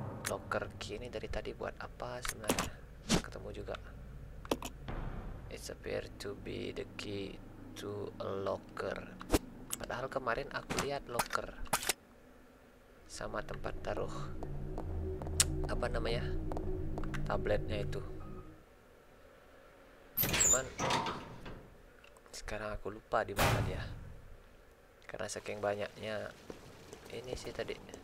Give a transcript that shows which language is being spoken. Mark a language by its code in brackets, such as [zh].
[id] Locker key ini dari tadi buat apa sebenarnya? Ketemu juga. [en] It's appear to be the key to a locker. [id] Padahal kemarin aku lihat locker sama tempat taruh apa namanya tabletnya itu, cuman sekarang aku lupa di mana dia karena saking banyaknya ini sih tadi.